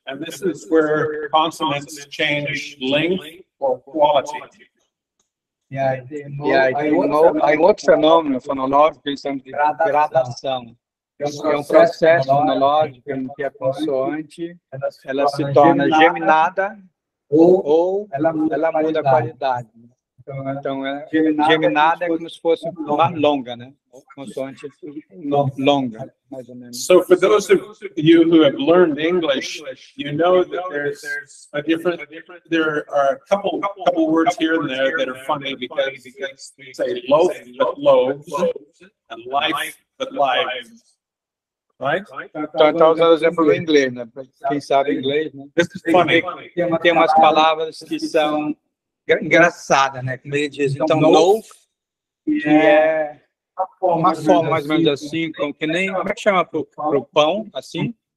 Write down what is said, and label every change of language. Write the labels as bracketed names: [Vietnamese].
[English] And this is where consonants change length or quality. [Portuguese] Yeah, tem outro fenômeno fonológico, pensando em gradação. É um processo fonológico em que a consoante ela se torna geminada ou ela muda a qualidade. Então, geminada é como se fosse uma longa, né? Consoante longa, mais ou menos. [English] So, for those of you who have learned English, you know that there's a different, there are a couple words here and there that are funny because we say loaf, but loaves, and life, but lives. [Portuguese] Então, está usando o exemplo do inglês, né? Quem sabe inglês, né? [English] This is funny. [Portuguese] Tem umas palavras que são engraçadas, né? Como ele diz, então, loaf, que é uma forma mais ou menos assim, como que nem, como é que chama para o pão, assim?